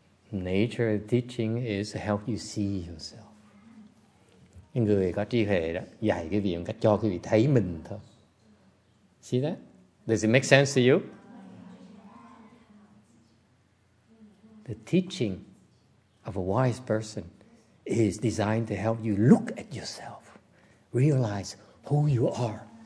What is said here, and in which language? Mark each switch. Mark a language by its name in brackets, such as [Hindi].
[English] Nature of teaching is to help you see yourself. [Vietnamese] Người có trí huệ đó dạy cái việc cách cho cái vị thấy mình thôi. [English] See that? Does it make sense to you? The teaching of a wise person is designed to help you look at yourself, realize who you are.